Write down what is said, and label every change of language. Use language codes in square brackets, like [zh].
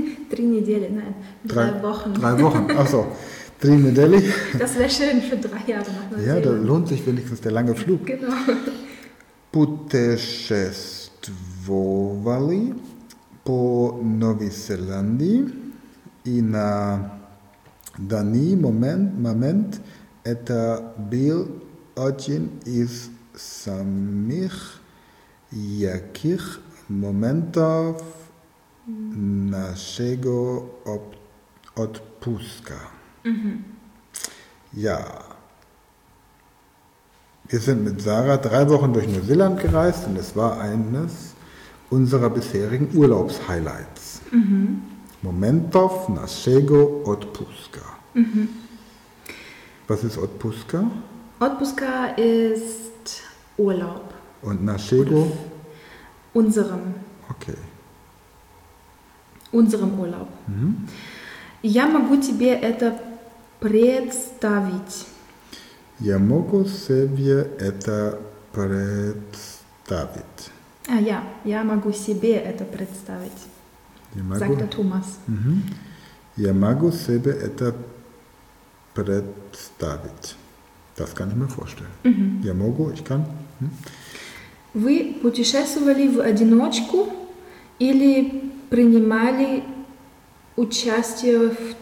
[ru] 3 недели, [de] nein. 3 Wochen. 3 Wochen, ach so. [ru] 3 недели. [de] Das wäre schön für 3 Jahre. Ja, da lohnt sich wenigstens der lange Flug. Genau. [ru] Путешествовали по Новой Зеландии и на данный момент это был один из самых ярких моментов нашего отпуска. Mhm. [de] Ja, wir sind mit Sarah 3 Wochen durch Neuseeland gereist und es war eines unserer bisherigen Urlaubshighlights. Mhm. [ru] Momentov našego odpuska. Mhm. [de] Was ist odpuska? Odpuska ist Urlaub. Und našego? Unserem. [en] Okay. [de] Unserem Urlaub. Mhm. [ru] Я могу тебе это представить. Я могу себе это представить. А, [de] ja, [ru] я могу себе это представить. [de] Sagt der Thomas. Mhm. [ru] Я могу себе это представить. [de] Das kann ich mir vorstellen. Mhm. [ru] Я могу, [de] ich kann. Mhm. [ru] Вы путешествовали в одиночку или принимали участие в